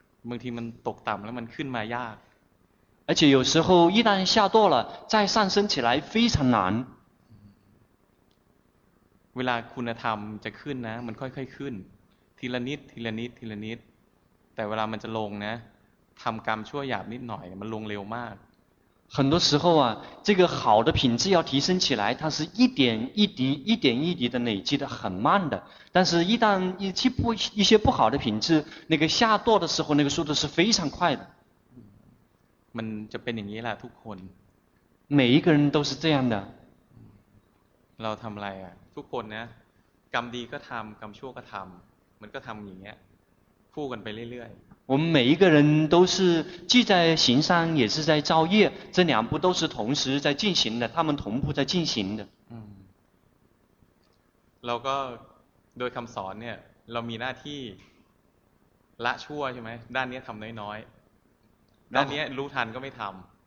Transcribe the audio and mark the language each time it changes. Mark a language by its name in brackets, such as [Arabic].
[Thai] บางทีมันตกต่ำแล้วมันขึ้นมายาก [Chinese] 而且有时候一旦下堕了再上升起来非常难 [Thai] เวลาคุณธรรมจะขึ้นนะมันค่อยๆขึ้นทีละนิดทีละนิดทีละนิดแต่เวลามันจะลงนะทำกรรมชั่วหยาบนิดหน่อยมันลงเร็วมาก [Chinese] 很多时候啊，这个好的品质要提升起来，它是一点一滴、一点一滴的累积的，很慢的。但是，一旦一些不好的品质，那个下堕的时候，那个速度是非常快的。 [Thai] มันจะเป็นอย่างนี้แหละทุกคน [Chinese] 每一个人都是这样的。 [Thai] เราทำอะไรอ่ะทุกคนนะกรรมดีก็ทำกรรมชั่วก็ทำมันก็ทำอย่างเงี้ยคู่กันไปเรื่อยๆ [Chinese] 我们每一个人都是既在行善也是在造业，这两步都是同时在进行的，他们同步在进行的。嗯。 [Thai] 然后，โดยคำสอนเนี่ย，เรามีหน้าที่ละชั่วใช่ไหม？ ด้านนี้ทำน้อยๆ，ด้านนี้รู้ทันก็ไม่ทำ。